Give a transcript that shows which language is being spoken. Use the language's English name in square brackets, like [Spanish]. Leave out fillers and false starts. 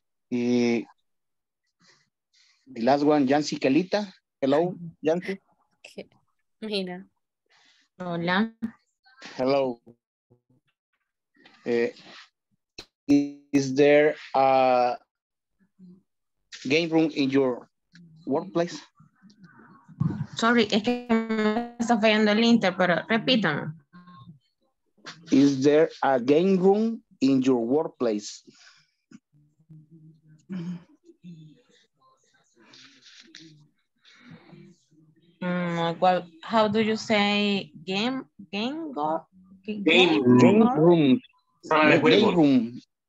[English] The last one, Yancy Kelita. Hello, Yancy. [Spanish] Mira. Hola. [English] Hello. Is there a game room in your workplace? [Spanish] Sorry, es que me está fallando el inter, pero repítame. [English] Is there a game room in your workplace? Well, how do you say game room? Game room.